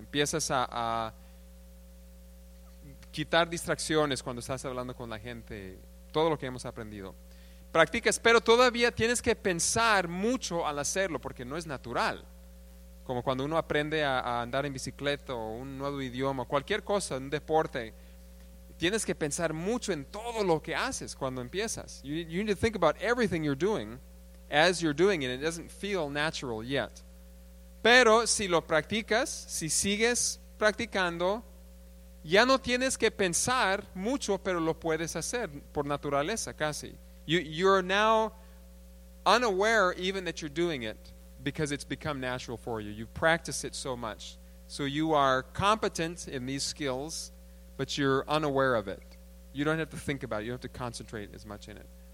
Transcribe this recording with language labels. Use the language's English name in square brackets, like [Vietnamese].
[Spanish] Empiezas a quitar distracciones cuando estás hablando con la gente, todo lo que hemos aprendido. Practicas, pero todavía tienes que pensar mucho al hacerlo, porque no es natural. Como cuando uno aprende a andar en bicicleta o un nuevo idioma, cualquier cosa, un deporte, tienes que pensar mucho en todo lo que haces cuando empiezas. [English] You need to think about everything you're doing as you're doing it, and it doesn't feel natural yet. [Spanish] Pero si lo practicas, si sigues practicando, ya no tienes que pensar mucho, pero lo puedes hacer por naturaleza casi. [English] You're now unaware even that you're doing it because it's become natural for you. You practice it so much. So you are competent in these skills, but you're unaware of it. You don't have to think about it. You don't have to concentrate as much in it.